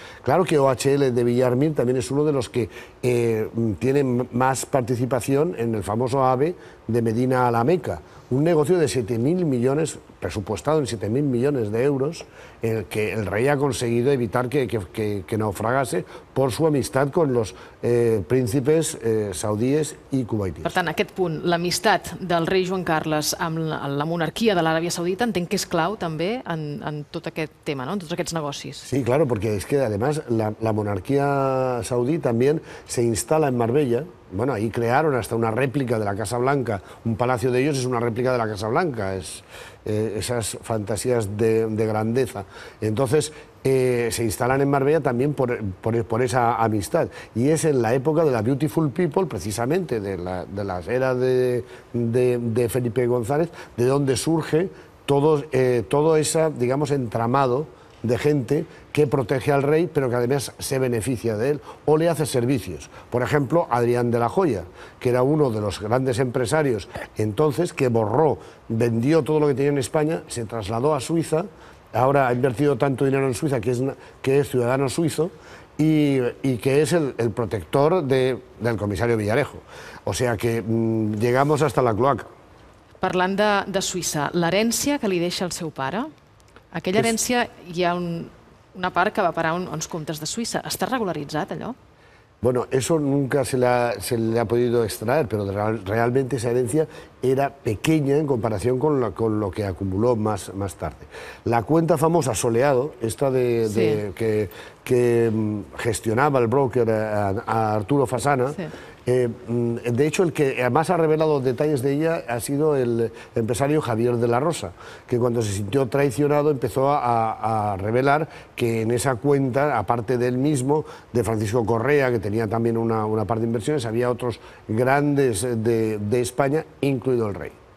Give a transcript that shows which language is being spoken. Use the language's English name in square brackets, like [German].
[Spanish] Claro que OHL de Villarmir también es uno de los que tiene más participación en el famoso AVE de Medina a la Meca, un negocio de 7.000 millones, presupuestado en 7.000 millones de euros, en el que el rey ha conseguido evitar que naufragase por su amistad con los príncipes saudíes y kuwaitíes. [Catalan] Per tant, aquest punt, l'amistat del rei Joan Carles amb la monarquia de l'Aràbia Saudita, entenc que és clau també en tot aquest tema, en tots aquests negocis. [Spanish] Sí, claro, porque es que además la monarquía saudí también se instala en Marbella. Bueno, ahí crearon hasta una réplica de la Casa Blanca. Un palacio de ellos es una réplica de la Casa Blanca. Es esas fantasías de grandeza. Entonces, se instalan en Marbella también por esa amistad. Y es en la época de la Beautiful People, precisamente, de la era de Felipe González, de donde surge todo ese, digamos, entramado de gente que protege al rey, pero que además se beneficia de él o le hace servicios. Por ejemplo, Adrián de la Joya, que era uno de los grandes empresarios entonces, que vendió todo lo que tenía en España, se trasladó a Suiza, ahora ha invertido tanto dinero en Suiza que es ciudadano suizo y que es el protector del comisario Villarejo. O sea que llegamos hasta la cloaca. [Catalan] Parlant de Suiza, l'herència que li deixa el seu pare, aquella herència, hi ha una part que va parar uns comptes de Suïssa. Està regularitzat, allò? [Spanish] Bueno, eso nunca se le ha podido extraer, pero realmente esa herencia era pequeña en comparación con lo que acumuló más tarde. La cuenta famosa Soleado, esta que gestionaba el broker a Arturo Fasana, de hecho, el que más ha revelado detalles de ella ha sido el empresario Javier de la Rosa, que cuando se sintió traicionado empezó a revelar que en esa cuenta, aparte del mismo, de Francisco Correa, que tenía también una parte de inversiones, había otros grandes de España, incluido el rey.